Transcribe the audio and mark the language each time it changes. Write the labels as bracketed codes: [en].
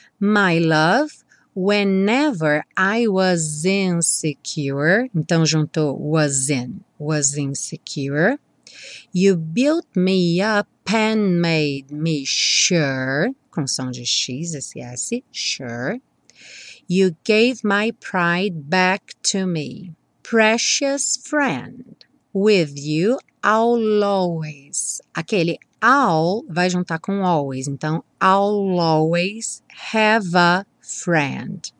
[en] My love, whenever I was insecure, [pt] então juntou [en] was insecure. You built me up and made me sure. [pt] com som de X, SS, [en] sure. You gave my pride back to me, precious friend. With you, I'll always. [pt] Aquele I'll vai juntar com always. Então, [en] I'll always have a friend.